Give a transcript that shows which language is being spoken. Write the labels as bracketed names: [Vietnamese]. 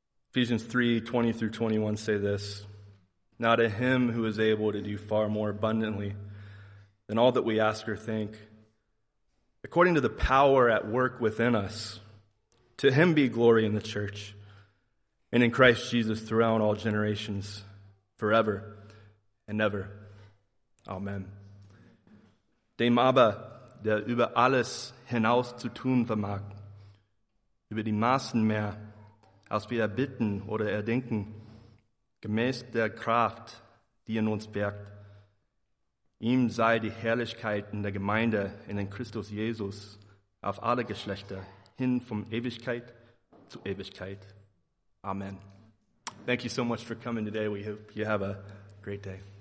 [English] Ephesians 3:20-21 say this: "Now to him who is able to do far more abundantly than all that we ask or think, according to the power at work within us, to him be glory in the church and in Christ Jesus throughout all generations, forever and ever. Amen." [German] Dem Abba, der über alles hinaus zu tun vermag, über die Maßen mehr, als wir erbitten oder erdenken, gemäß der Kraft, die in uns wirkt. Ihm sei die Herrlichkeit in der Gemeinde in den Christus Jesus auf alle Geschlechter hin von Ewigkeit zu Ewigkeit. [English] Amen. Thank you so much for coming today. We hope you have a great day.